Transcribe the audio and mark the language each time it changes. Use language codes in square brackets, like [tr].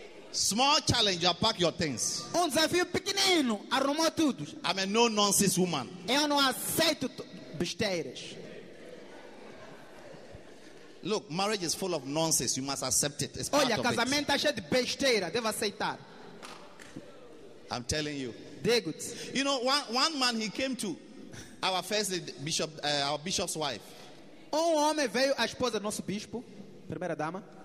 [en] Small challenge, you pack your things. [pt] Desafio pequenino, arruma tudo. [en] I'm a no-nonsense woman. [pt] Eu não aceito besteiras. [en] Look, marriage is full of nonsense, you must accept it. It's [pt] Olha, casamento está cheio de besteira, deve aceitar. [en] I'm telling you. You know, one man he came to Our first bishop, our bishop's wife. [pt] Um homem veio, a esposa do nosso bispo, primeira dama.